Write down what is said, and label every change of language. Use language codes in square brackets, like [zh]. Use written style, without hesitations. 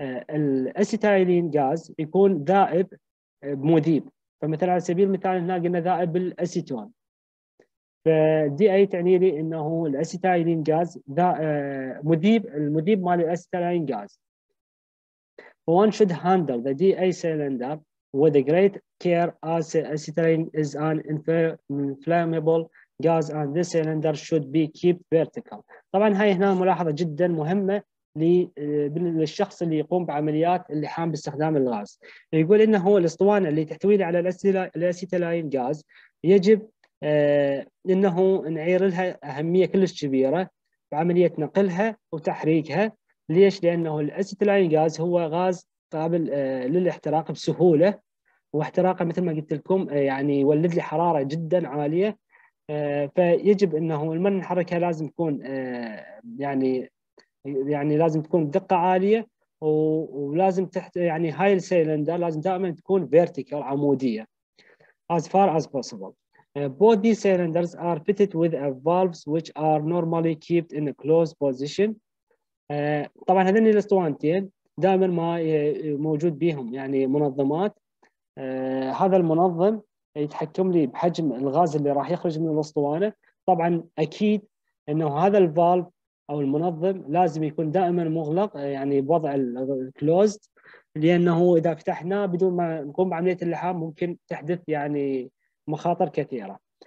[ar] الاسيتايلين غاز يكون ذائب مذيب، فمثلا على سبيل المثال هنا قلنا ذائب الاسيتون. فدي اي تعني لي انه الاسيتايلين غاز مذيب، المذيب مال الاسيتايلين غاز. [en] One should handle the DA cylinder with great care as acetylene is an inflammable gas and this cylinder should be kept vertical. [ar] طبعا هاي هنا ملاحظة جدا مهمة للشخص اللي يقوم بعمليات اللحام باستخدام الغاز. يقول انه الاسطوانة اللي تحتوي على الاسيتيلين غاز يجب انه نعير لها اهمية كلش كبيرة بعملية نقلها وتحريكها. ليش؟ لانه الاسيتيلين غاز هو غاز قابل للاحتراق بسهولة، واحتراقه مثل ما قلت لكم يعني يولد لي حرارة جدا عالية. فيجب انه لما نحركها لازم تكون يعني لازم تكون دقه عاليه، ولازم تحت يعني هاي السيلندر لازم دائما تكون فيرتيكال عموديه [en] as far as possible. Both these cylinders are fitted with valves which are normally kept in a closed position. [ar] طبعا هذين الاسطوانتين دائما ما موجود بهم يعني منظمات، هذا المنظم يتحكم لي بحجم الغاز اللي راح يخرج من الاسطوانه. طبعا اكيد انه هذا الفالف او المنظم لازم يكون دائما مغلق يعني بوضع الكلوزد، لانه اذا فتحناه بدون ما نقوم بعمليه اللحام ممكن تحدث يعني مخاطر كثيره.